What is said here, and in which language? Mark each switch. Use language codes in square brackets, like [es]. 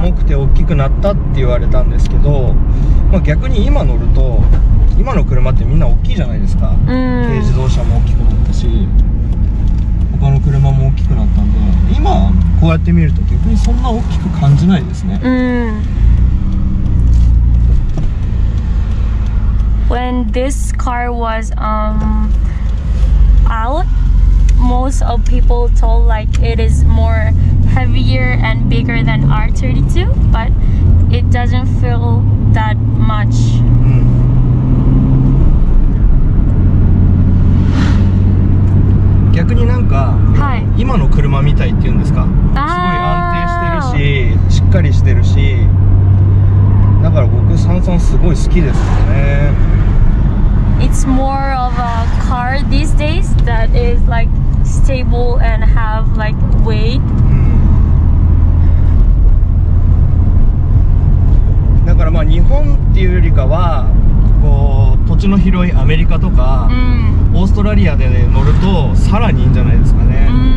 [ja] そう、重くて大きくなったって言われたんですけど、まあ、逆に今乗ると今の車ってみんな大きいじゃないですか。軽自動車も大きくなったし、他の車も大きくなったんで、今こうやって見ると逆にそんな大きく感じないですね。 [en] When this car was out, most of people told like it is more heavier and bigger than R32, but it doesn't feel that much. [ja] 逆になんか、はい、今の車みたいっていうんですか、すごい安定してるし、しっかりしてるし、だから僕サンサンすごい好きですよね。 [en] It's more of a car these days that is like stable and have like weight、 [ja] だからまあ日本っていうよりかはこう土地の広いアメリカとか、オーストラリアで、ね、乗るとさらにいいんじゃないですかね。